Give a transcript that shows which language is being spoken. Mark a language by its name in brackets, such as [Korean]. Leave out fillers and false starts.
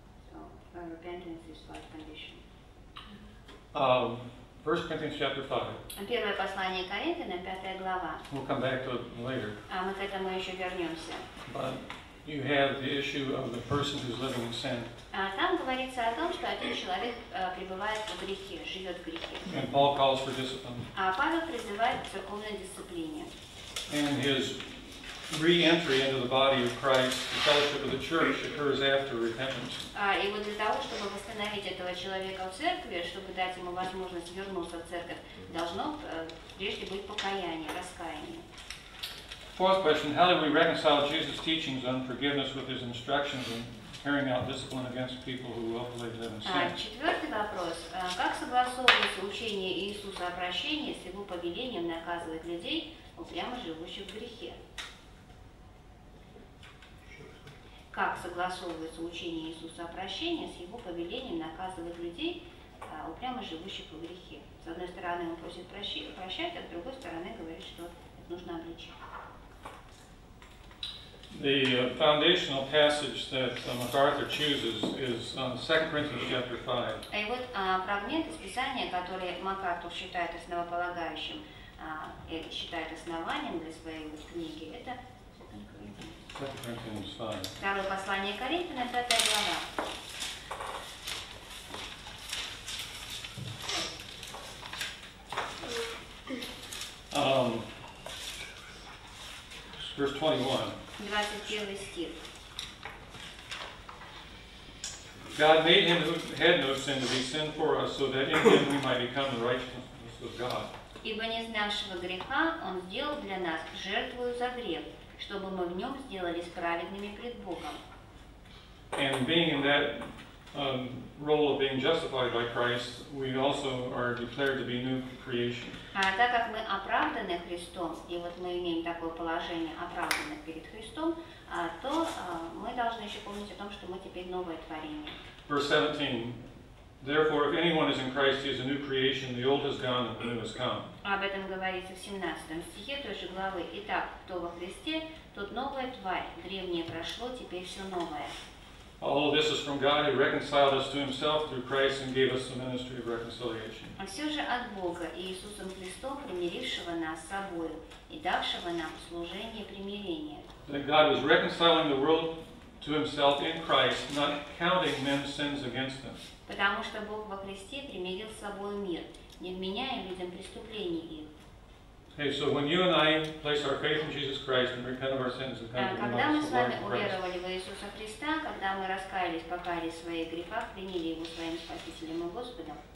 [English] So, repentance is like condition. First Corinthians chapter 5. [Russian] Первое послание Коринфянам, пятая глава. [English] We'll come back to it later. [Russian] Мы к этому еще вернемся. [English] But you have the issue of the person who's living in sin. [Russian] Там говорится о том, что один человек пребывает в грехе, живет в грехе. [English] And Paul calls for discipline. [Russian] А Павел призывает к церковной дисциплине. [English] And his re-entry into the body of Christ, the fellowship of the church, occurs after repentance. [Russian] И вот для того, чтобы восстановить этого человека в церкви, чтобы дать ему возможность вернуться в церковь, должно прежде быть покаяние, раскаяние. [English] Fourth question, how do we reconcile Jesus' teachings on forgiveness with his instructions on carrying out discipline against people who willfully live in sin? [Russian] Четвертый вопрос. Как согласовывается учение Иисуса о прощении с его повелением наказывать людей, упрямо живущих в грехе? Как согласовывается учение Иисуса о прощении с его повелением наказывать людей, упрямо живущих в грехе? С одной стороны, он просит прощать, а с другой стороны, говорит, что нужно обличать. [English] The foundational passage that MacArthur chooses is 2 Corinthians chapter 5. [Russian] И вот фрагмент из Писания, который MacArthur считает основополагающим, считает основанием для своей книги, это [English] 2 Corinthians 5. [Russian] Второе послание Коринфянам, 5 глава. [English] Verse 21. [Russian] 21 стих. [English] God made him who had no sin to be sin for us, so that in him we might become the righteousness of God. [Russian] Ибо не знавшего греха он сделал для нас жертвою за грех, чтобы мы в нем сделались праведными пред Богом. [English] And being in that role of being justified by Christ, we also are declared to be new creations. [Russian] А так как мы оправданы Христом, и вот мы имеем такое положение оправданных перед Христом, то мы должны еще помнить о том, что мы теперь новое творение. [English] Verse 17. Therefore, if anyone is in Christ, he is a new creation. The old has gone, and the new has come. [Russian] Об этом говорится в 17 стихе той же главы. Итак, кто во Христе, тот новая тварь. Древнее прошло, теперь все новое. [English] All of this is from God who reconciled us to himself through Christ and gave us the ministry of reconciliation. [Russian] А все же от Бога, Иисусом Христом, примирившего нас с собою и давшего нам служение примирения. [English] That God was reconciling the world to himself in Christ, not counting men's sins against them. [Russian] Потому что Бог во Христе примирил с собою мир, не вменяя людям преступлений их. [English] Okay, so when you and I place our faith in Jesus Christ and repent of our sins and come to the Lord, when we [Russian] уверовали в Иисуса Христа, когда мы раскаялись, покаялись в своих грехах, приняли его своим спасителем и Господом.